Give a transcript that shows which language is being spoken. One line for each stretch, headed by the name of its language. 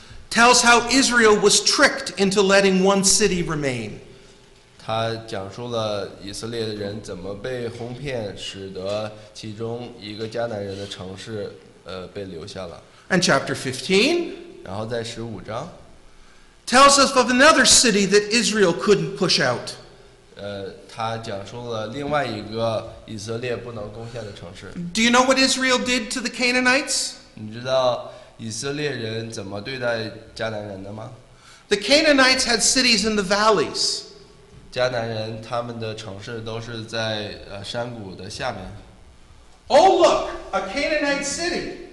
English: ，tells how Israel was tricked into letting one city remain.
Chinese: 他讲述了以色列的人怎么被哄骗，使得其中一个迦南人的城市被留下了。
English: And chapter 15,
Chinese: 然后在十五章
English: tells us of another city that Israel couldn't push out.
Chinese: 他讲述了另外一个以色列不能攻下的城市。
English: Do you know what Israel did to the Canaanites?
Chinese: 你知道以色列人怎么对待迦南人的吗？
English: The Canaanites had cities in the valleys.
Chinese: 迦南人他们的城市都是在山谷的下面。
English: Oh look, a Canaanite city.